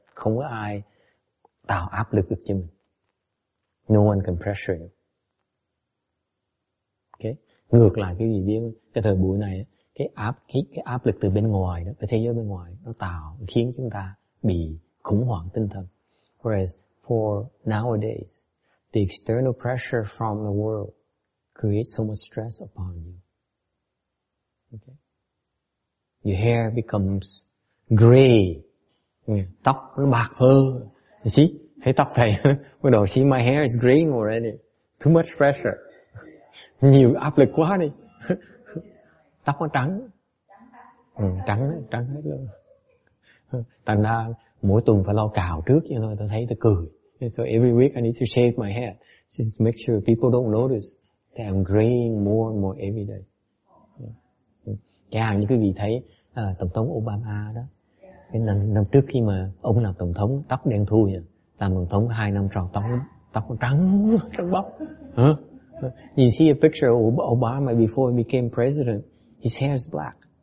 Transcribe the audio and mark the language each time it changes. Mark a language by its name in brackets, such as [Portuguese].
[Vietnamese] Không có ai tạo áp lực được cho mình. [English] No one can pressure you. [Vietnamese] Okay. Ngược lại cái gì biết, cái thời buổi này cái áp lực từ bên ngoài đó, cái thế giới bên ngoài nó tạo khiến chúng ta bị khủng hoảng tinh thần. [English] Whereas for nowadays, the external pressure from the world creates so much stress upon you. Okay. Your hair becomes gray. [Vietnamese] Tóc nó bạc phơ. [English] You see? [Vietnamese] Thấy tóc thầy. Bắt đầu, [English] see my hair is graying already. Too much pressure. [Vietnamese] Nhiều áp lực quá đi. Tóc nó trắng. Trắng hết luôn. Thành ra mỗi tuần phải lo cào trước cho thôi. Tôi thấy tôi cười. [English] So every week I need to shave my hair just to make sure people don't notice that I'm graying more and more every day. [Vietnamese] Chẳng hạn như quý vị thấy Tổng thống Obama đó, cái năm trước khi mà ông làm Tổng thống, tóc đen thui nhỉ? Làm Tổng thống 2 năm tròn, tóc trắng bóc. [English] Huh? You see a picture of Obama before he became president, his hair is black.